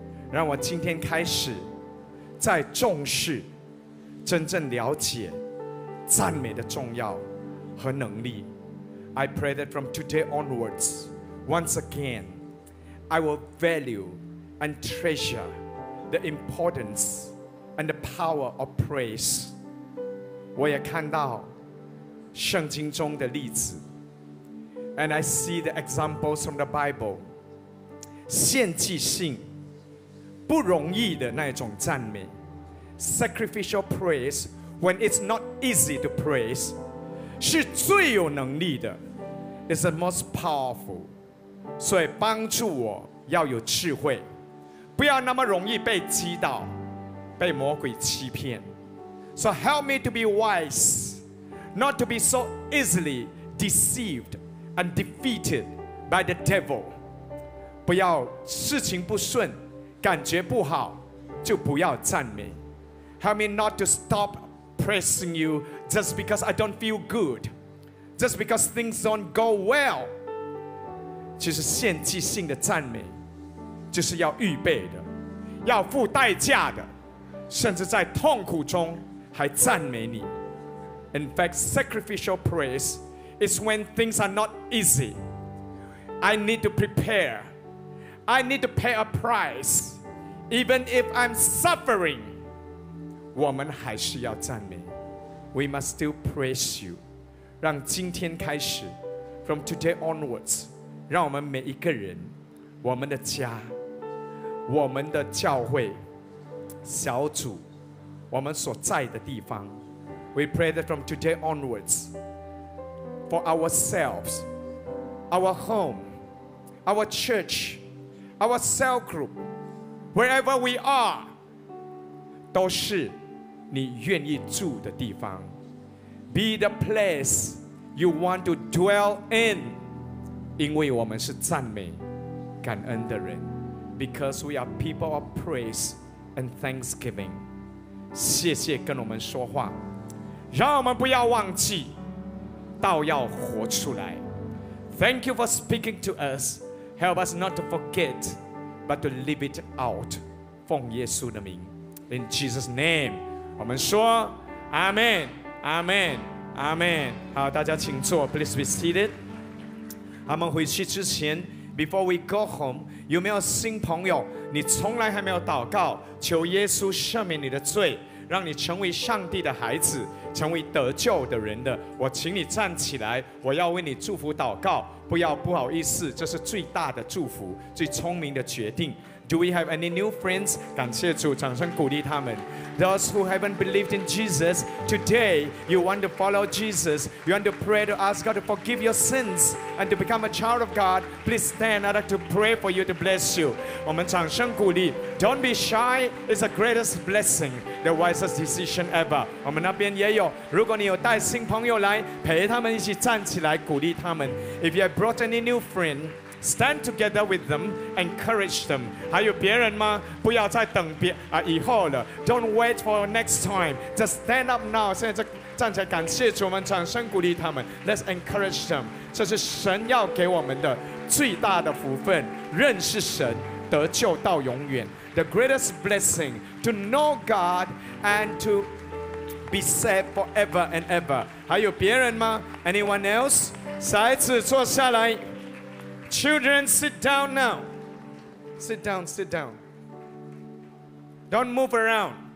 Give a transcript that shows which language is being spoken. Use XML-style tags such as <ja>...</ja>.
<zh>让我今天开始再重视、真正了解赞美的重要和能力。</zh> <en>I pray that from today onwards, once again, I will value and treasure the importance. And the power of praise.</en> <zh>我也看到圣经中的例子。</zh> <en>And I see the examples from the Bible.</en> <zh>献祭性不容易的那种赞美。</zh> <en>Sacrificial praise when it's not easy to praise</en> <zh>是最有能力的。</zh> <en>It's the most powerful.</en> <zh>所以帮助我要有智慧，不要那么容易被击倒，被魔鬼欺骗。</zh> <en>So help me to be wise, not to be so easily deceived and defeated by the devil.</en> <zh>不要事情不顺，感觉不好，就不要赞美。</zh> <en>Help me not to stop praising you just because I don't feel good, just because things don't go well.</en> <zh>其实献祭性的赞美就是要预备的，要付代价的，甚至在痛苦中还赞美你。</zh> <en>In fact, sacrificial praise is when things are not easy. I need to prepare. I need to pay a price. Even if I'm suffering,</en> <zh>我们还是要赞美。</zh> <en>We must still praise you.</en> <zh>让今天开始，</zh> <en>From today onwards,</en> <zh>让我们每一个人，我们的家，我们的教会小组，我们所在的地方，</zh> <en>We pray that from today onwards, for ourselves, our home, our church, our cell group, wherever we are,</en> <zh>都是你愿意住的地方。</zh> <en>Be the place you want to dwell in,</en> <zh>因为我们是赞美感恩的人。</zh> <en>because we are people of praise and thanksgiving.</en> <zh>谢谢跟我们说话，让我们不要忘记，道要活出来。</zh> <en>Thank you for speaking to us. Help us not to forget, but to live it out.</en> <zh>奉耶稣的名 ，</zh> <en>In Jesus' name，</en> <zh>我们说 ，Amen， Amen， Amen。好，大家请坐 ，</zh> <en>Please be seated。</en> <zh>他们回去之前 ，</zh> <en>Before we go home，</en> <zh>有没有新朋友？你从来还没有祷告，求耶稣赦免你的罪，让你成为上帝的孩子，成为得救的人的，我请你站起来，我要为你祝福祷告。不要不好意思，这是最大的祝福，最聪明的决定。</zh> <en>Do we have any new friends?</en> <zh>感谢主，掌声鼓励他们。</zh> <en>Those who haven't believed in Jesus, today you want to follow Jesus, you want to pray to ask God to forgive your sins and to become a child of God, please stand, I'd like to pray for you to bless you.</en> <zh>我们掌声鼓励。</zh> <en>Don't be shy, it's the greatest blessing, the wisest decision ever.</en> <zh>我们那边也有，如果你有带新朋友来，陪他们一起站起来鼓励他们。</zh> <en>If you have brought any new friend,Stand together with them, encourage them.</en> <zh>还有别人吗？不要再等别啊，以后了。</zh> <en>Don't wait for next time. Just stand up now.</en> <zh>现在站起来，感谢主，我们掌声鼓励他们。</zh> <en>Let's encourage them.</en> <zh>这是神要给我们的最大的福分，认识神，得救到永远。</zh> <en>The greatest blessing to know God and to be saved forever and ever.</en> <zh>还有别人吗 ？</zh> <en>Anyone else?</en> <zh>小孩子坐下来。</zh> <en>Children, sit down now. Sit down, sit down. Don't move around.</en>